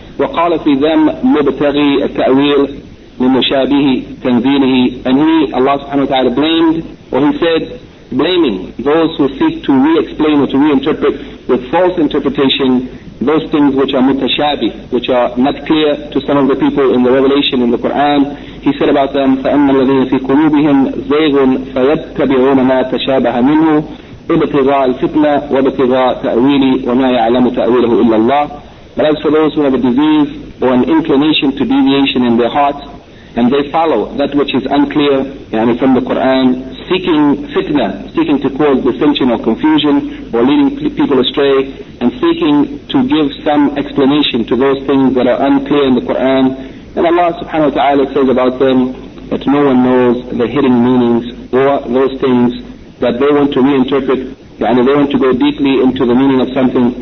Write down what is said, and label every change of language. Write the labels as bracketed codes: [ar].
[ar] وَقَالَ فِي ذَمْ مُبْتَغِي التَّأْوِيلِ لِمُشَابِهِ تَنْزِيلِهِ. [en] And he, Allah [ar] subhanahu wa ta'ala, [en] blamed, or he said, blaming those who seek to re-explain or to reinterpret with false interpretation those things which are mutashabih, which are not clear to some of the people in the revelation in the Quran. He said about them, [ar] فَأَمَّا الَّذِينَ فِي قُلُوبِهِمْ زَيْغٌ فَيَتَّبِعُونَ مَا تَشَابَهَ مِنْهُ إِبْتِغَاءَ الْفِتْنَةِ وَإِبْتِغَاءَ تَأْوِيلِ وَمَا يَعْلَمُ تَأْوِيلَهُ إِلَّا اللَّهُ. [en] But as for those who have a disease or an inclination to deviation in their hearts, and they follow that which is unclear, from the Quran, seeking fitna, seeking to cause dissension or confusion, or leading people astray, and seeking to give some explanation to those things that are unclear in the Quran, and Allah [ar] subhanahu wa ta'ala [en] says about them that no one knows the hidden meanings or those things that they want to reinterpret, and they want to go deeply into the meaning of something.